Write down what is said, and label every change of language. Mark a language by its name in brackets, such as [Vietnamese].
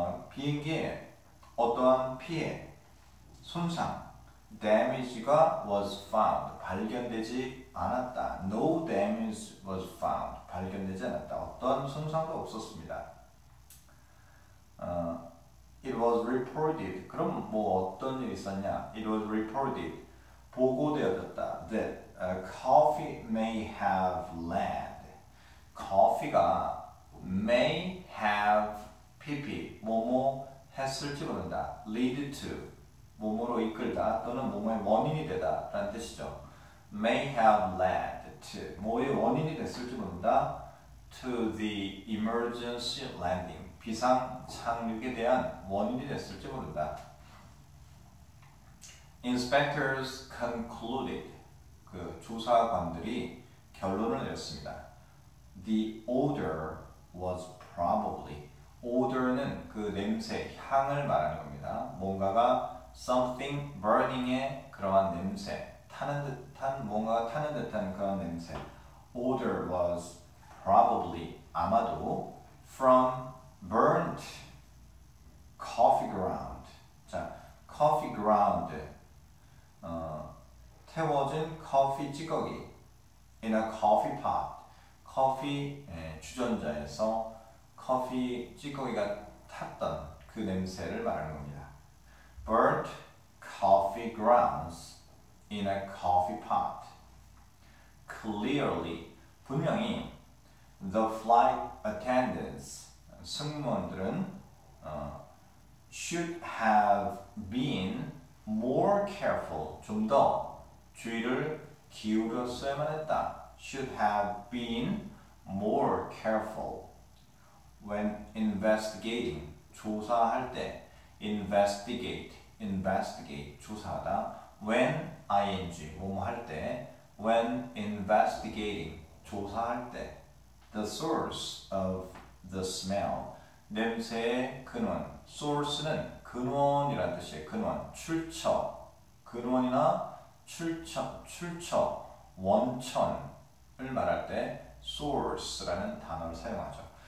[Korean] 비행기에 어떠한 피해, 손상, damage가 [English] was found. [Korean] 발견되지 않았다. [English] No damage was found. [Korean] 발견되지 않았다. 어떤 손상도 없었습니다. [English] It was reported. [Korean] 그럼 뭐 어떤 일이 있었냐? [English] It was reported. [Korean] 보고되어졌다. [English] That coffee may have led. [Korean] 커피가 [English] may have pp. [Korean] 뭐뭐 했을지 모른다. [English] Lead to. [Korean] 뭐뭐로 이끌다. 또는 뭐뭐의 원인이 되다. 라는 뜻이죠. [English] May have led to [Korean] 뭐의 원인이 됐을지 모른다 [English] to the emergency landing [Korean] 비상 착륙에 대한 원인이 됐을지 모른다 [English] Inspectors concluded [Korean] 그 조사관들이 결론을 내렸습니다 [English] The odor was probably [Korean] odor는 그 냄새, 향을 말하는 겁니다 뭔가가 something burning의 그러한 냄새 타는 듯한 뭔가 타는 듯한 그런 냄새. [English] Odor was probably [Korean] 아마도 [English] from burnt coffee ground. [Korean] 자, [English] coffee ground. [Korean] 태워진 커피 찌꺼기. [English] In a coffee pot. [Korean] 커피 주전자에서 커피 찌꺼기가 탔던 그 냄새를 말하는 겁니다. [English] Burnt coffee grounds in a coffee pot. Clearly, [Korean] 분명히 [English] the flight attendants, [Korean] 승무원들은 [English] should have been more careful, [Korean] 좀더 주의를 기울였어야만 했다. [English] Should have been more careful when investigating, [Korean] 조사할 때, [English] investigate, [Korean] 조사하다. [English] When, ing, [Korean] 뭐뭐 할 때, [English] when investigating, [Korean] 조사할 때, [English] the source of the smell, [Korean] 냄새의 근원, [English] source는 [Korean] 근원이란 뜻이에요. 근원, 출처, 근원이나 출처, 원천을 말할 때 source라는 단어를 사용하죠.